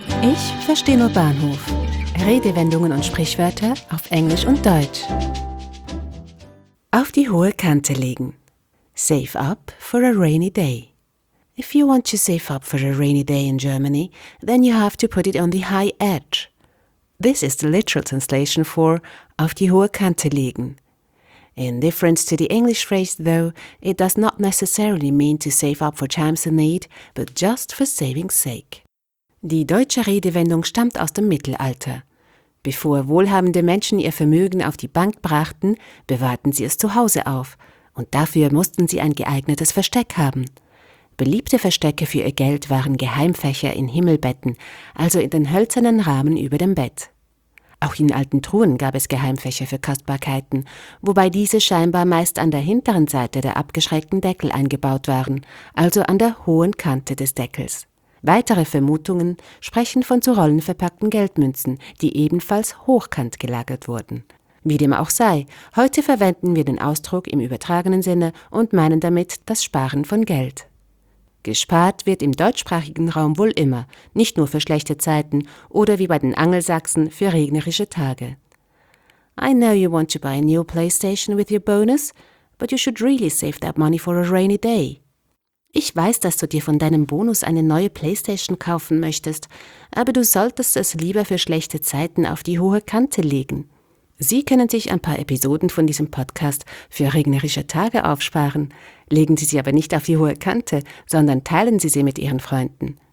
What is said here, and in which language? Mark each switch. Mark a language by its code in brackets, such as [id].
[de] Ich verstehe nur Bahnhof. Redewendungen und Sprichwörter auf Englisch und Deutsch. Auf die hohe Kante legen. [en] Save up for a rainy day. If you want to save up for a rainy day in Germany, then you have to put it on the high edge. This is the literal translation for [de] auf die hohe Kante legen. [en] In difference to the English phrase, though, it does not necessarily mean to save up for times of need, but just for saving's sake. [de] Die deutsche Redewendung stammt aus dem Mittelalter. Bevor wohlhabende Menschen ihr Vermögen auf die Bank brachten, bewahrten sie es zu Hause auf. Und dafür mussten sie ein geeignetes Versteck haben. Beliebte Verstecke für ihr Geld waren Geheimfächer in Himmelbetten, also in den hölzernen Rahmen über dem Bett. Auch in alten Truhen gab es Geheimfächer für Kostbarkeiten, wobei diese scheinbar meist an der hinteren Seite der abgeschrägten Deckel eingebaut waren, also an der hohen Kante des Deckels. Weitere Vermutungen sprechen von zu Rollen verpackten Geldmünzen, die ebenfalls hochkant gelagert wurden. Wie dem auch sei, heute verwenden wir den Ausdruck im übertragenen Sinne und meinen damit das Sparen von Geld. Gespart wird im deutschsprachigen Raum wohl immer, nicht nur für schlechte Zeiten oder wie bei den Angelsachsen für regnerische Tage. [en] I know you want to buy a new PlayStation with your bonus, but you should really save that money for a rainy day. [de] Ich weiß, dass du dir von deinem Bonus eine neue PlayStation kaufen möchtest, aber du solltest es lieber für schlechte Zeiten auf die hohe Kante legen. Sie können sich ein paar Episoden von diesem Podcast für regnerische Tage aufsparen. Legen Sie sie aber nicht auf die hohe Kante, sondern teilen Sie sie mit Ihren Freunden.